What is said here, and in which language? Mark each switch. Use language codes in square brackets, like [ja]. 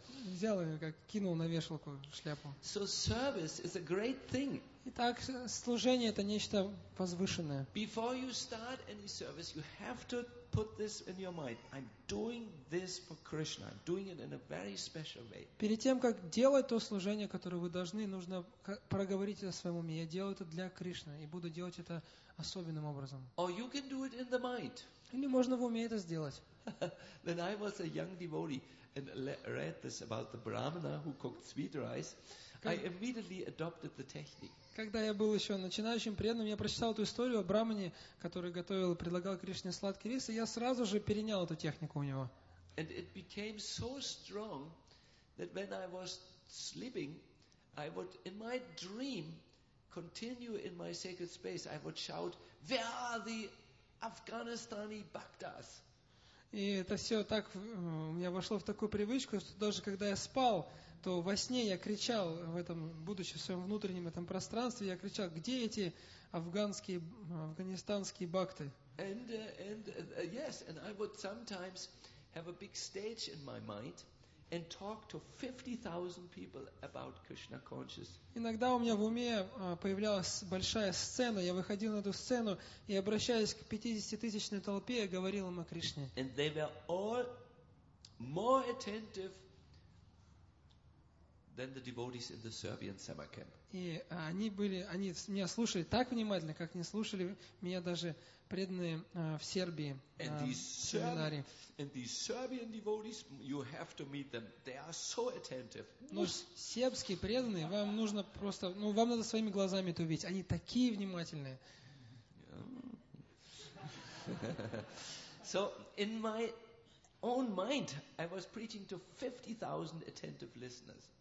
[ru] Взял ее, как кинул на вешалку шляпу. [en] So service is a great thing. [ru] Итак, служение это нечто возвышенное. [en] Before you start any service, you have to put this in your mind. I'm doing this for Krishna. I'm doing it in a very special way. [ru] Перед тем, как делать то служение, которое вы должны, нужно проговорить это в своем уме. Я делаю это для Кришны и буду делать это особенным образом. [en] Or you can do it in the mind. [ru] Или можно в уме это сделать. [en] When I was a young devotee and read this about the Brahmana who cooked sweet rice, I immediately adopted the technique. [ru] Когда я был еще начинающим преданным, я прочитал эту историю о брамане, который готовил и предлагал Кришне сладкий рис, и я сразу же перенял эту технику у него. [en] And it became so strong that when I was sleeping, I would in my dream continue in my sacred space. I would shout, "Where are the Afghanistani Bhaktas?" [ru] И это все так у меня вошло в такую привычку, что даже когда я спал, то во сне я кричал в этом, будучи в своем внутреннем этом пространстве, я кричал, где эти афганские, афганистанские бхакты? [en] And I would sometimes have a big stage in my mind and talk to 50,000 people about Krishna consciousness. [ru] Иногда у меня в уме появлялась большая сцена, я выходил на эту сцену и, обращаясь к 50-тысячной толпе, я говорил им о Кришне. [en] And they were all more attentive than the devotees in the Serbian summer camp. [ru] И они были, они меня слушали так внимательно, как не слушали меня даже преданные в Сербии семинарии. [en] And these Serbian devotees, you have to meet them. They are so attentive. [ru] Ну, сербские преданные, вам нужно просто, ну, вам надо своими глазами это увидеть. Они такие внимательные. [en] So in my own mind, I was preaching to 50,000 attentive listeners.